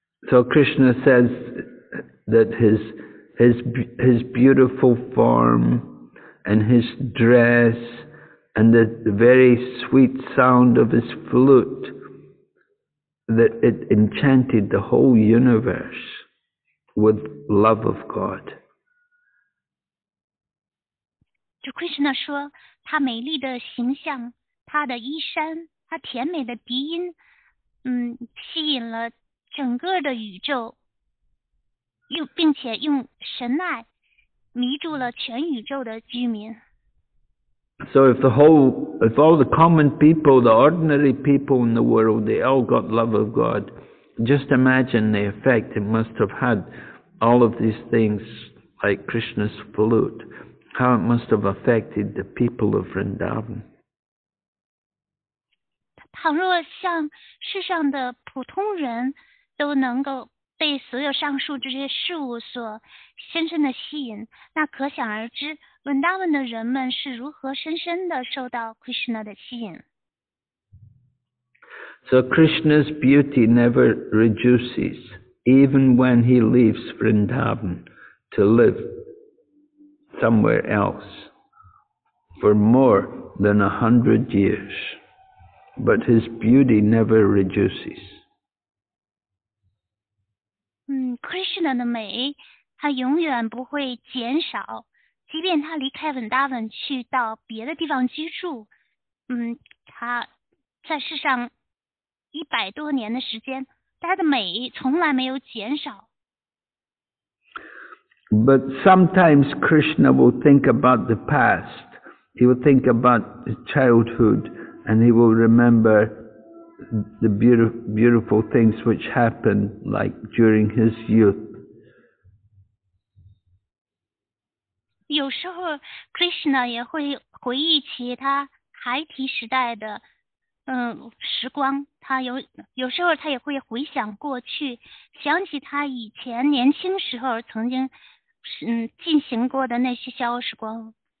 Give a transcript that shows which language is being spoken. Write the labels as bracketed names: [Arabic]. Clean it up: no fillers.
[English] So Krishna says that his beautiful form and his dress and the very sweet sound of his flute, that it enchanted the whole universe with love of God. [Chinese] To Krishna 说他美丽的形象，他的衣衫，他甜美的鼻音，吸引了整个的宇宙，并且用神爱迷住了全宇宙的居民。 [English] So if all the common people, the ordinary people in the world, they all got love of God, just imagine the effect it must have had, all of these things, like Krishna's flute, how it must have affected the people of Vrindavan. [Chinese] 倘若像世上的普通人都能够被所有上述这些事物所深深的吸引，那可想而知，文达文的人们是如何深深的受到 Krishna 的吸引。 [English] So Krishna's beauty never reduces, even when he leaves Vrindavan to live somewhere else for more than 100 years, but his beauty never reduces. [Chinese] Krishna 的美他永远不会减少，即便他离开文达文去到别的地方居住，他在世上100多年的时间，他的美从来没有减少。 [English] But sometimes Krishna will think about the past. He will think about his childhood, and he will remember the beautiful things which happened, like during his youth. [Chinese] 有时候 Krishna 也会回忆起他孩提时代的时光，他有时候他也会回想过去，想起他以前年轻时候曾经进行过的那些小时光。